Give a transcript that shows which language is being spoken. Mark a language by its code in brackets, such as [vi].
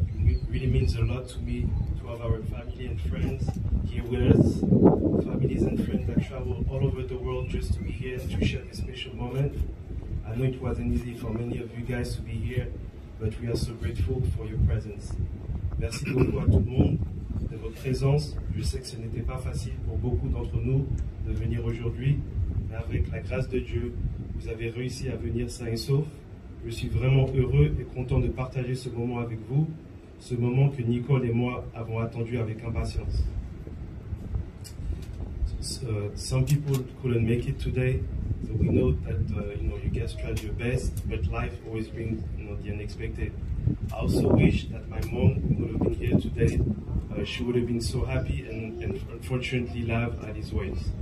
[en] It really means a lot to me to have our family and friends here with us. Families and friends that travel all over the world just to be here and to share this special moment. I know it wasn't easy for many of you guys to be here, but we are so grateful for your presence. [fr] Merci beaucoup à tout le monde de votre présence. Je sais que ce n'était pas facile pour beaucoup d'entre nous de venir aujourd'hui, mais avec la grâce de Dieu, vous avez réussi à venir sain et sauf. Je suis vraiment heureux et content de partager ce moment avec vous, ce moment que Nicole et moi avons attendu avec impatience. [en] Some people couldn't make it today, so we know that you guys tried your best, but life always brings the unexpected. I also wish that my mom would have been here today. She would have been so happy, and unfortunately laughed at his ways.